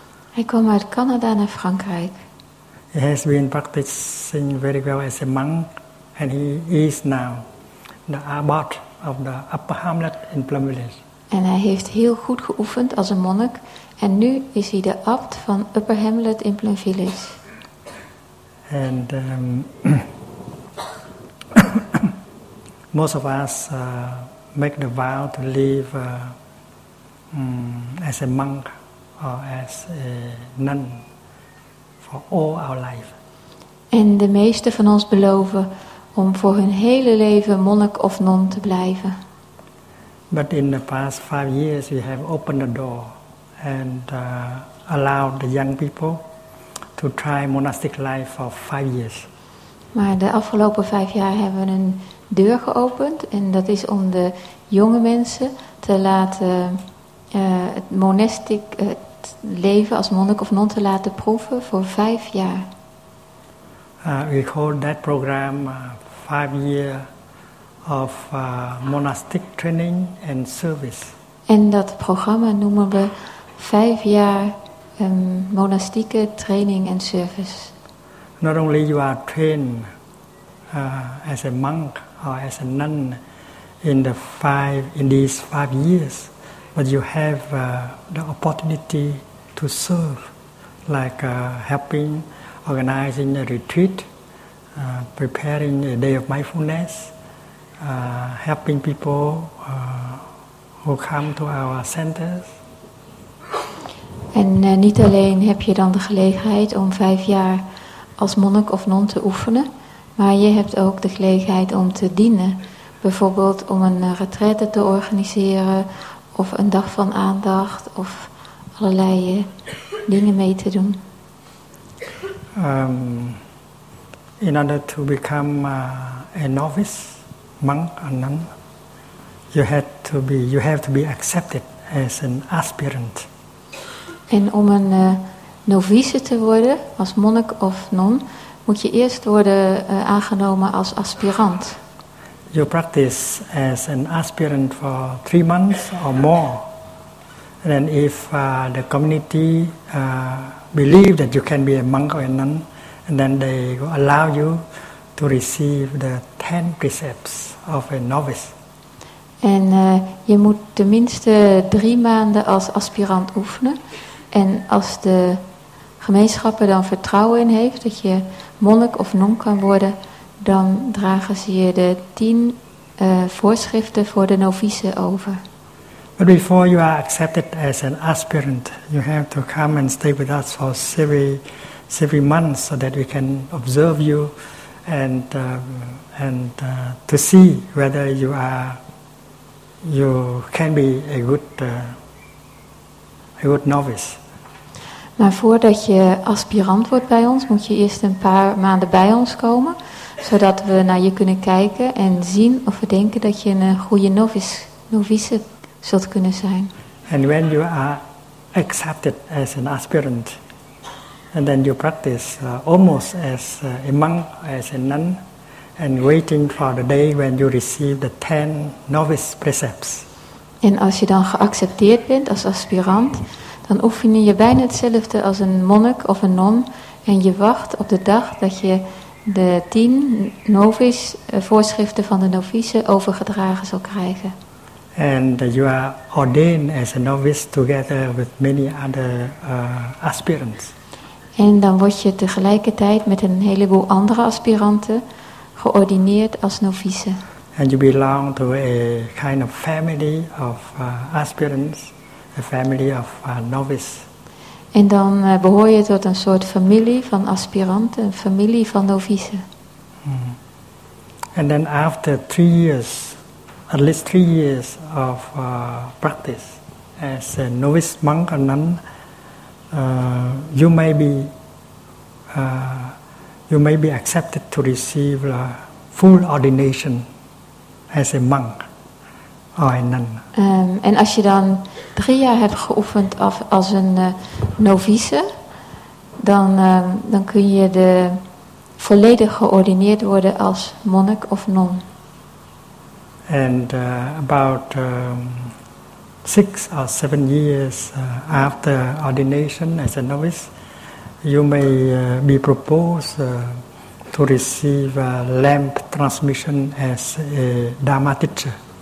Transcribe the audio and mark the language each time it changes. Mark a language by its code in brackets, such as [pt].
[nl] Hij kwam uit Canada naar Frankrijk. [en] He has been practicing very well as a monk, and he is now the abbot of the Upper Hamlet in Plum Village. [nl] En hij heeft heel goed geoefend als een monnik, en nu is hij de abt van Upper Hamlet in Plum Village. [en] And most of us make the vow to live as a monk or as a nun for all our life. [nl] En de meeste van ons beloven om voor hun hele leven monnik of non te blijven. [en] But in the past 5 years we have opened the door and allowed the young people to try monastic life for 5 years. [nl] Maar de afgelopen 5 jaar hebben we een deur geopend en dat is om de jonge mensen te laten het monastic het leven als monnik of non te laten proeven voor 5 jaar. [en] We call that program 5 year of monastic training and service. [nl] En dat programma noemen we 5 jaar monastieke training en service. [en] Not only you are trained as a monk or as a nun in the these five years. But you have the opportunity to serve, like helping, organizing a retreat, preparing a day of mindfulness, helping people who come to our centers. [nl] En niet alleen heb je dan de gelegenheid om 5 jaar als monnik of non te oefenen, maar je hebt ook de gelegenheid om te dienen. Bijvoorbeeld om een retraite te organiseren, of een dag van aandacht, of allerlei dingen mee te doen. [en] In order to become a novice monk or nun, you have to be accepted as an aspirant. [nl] En om een novice te worden, als monnik of non, moet je eerst worden aangenomen als aspirant. [en] You practice as an aspirant for 3 months or more. And then if the community believe that you can be a monk or a nun, and then they will allow you to receive the 10 precepts of a novice. [nl] En je moet tenminste 3 maanden als aspirant oefenen. En als de gemeenschap er dan vertrouwen in heeft dat je monnik of non kan worden, dan dragen ze je de 10 voorschriften voor de novice over. [en] But before you are accepted as an aspirant, you have to come and stay with us for several months so that we can observe you and to see whether you can be a good novice. [nl] Maar voordat je aspirant wordt bij ons, moet je eerst een paar maanden bij ons komen, zodat we naar je kunnen kijken en zien of we denken dat je een goede novice zult kunnen zijn. [en] And when you are accepted as an aspirant, and then you practice almost as a monk, as a nun, and waiting for the day when you receive the 10 novice precepts. [nl] En als je dan geaccepteerd bent als aspirant, dan oefen je bijna hetzelfde als een monnik of een non, en je wacht op de dag dat je de 10 novice voorschriften van de novice overgedragen zal krijgen. [en] And you are ordained as a novice together with many other aspirants. [nl] En dan word je tegelijkertijd met een heleboel andere aspiranten geordineerd als novice. [en] And you belong to a kind of family of aspirants, a family of novice. [nl] En dan behoor je tot een soort familie van aspiranten, een familie van novice. [en] And then after 3 years, at least 3 years of practice as a novice monk or nun, you may be accepted to receive full ordination as a monk or a nun. [nl] En als je dan 3 jaar hebt geoefend als een novice, dan kun je volledig geordineerd worden als monnik of non. [en] And about 6 or 7 years after ordination as a novice, you may be proposed to receive lamp transmission as a Dharma teacher.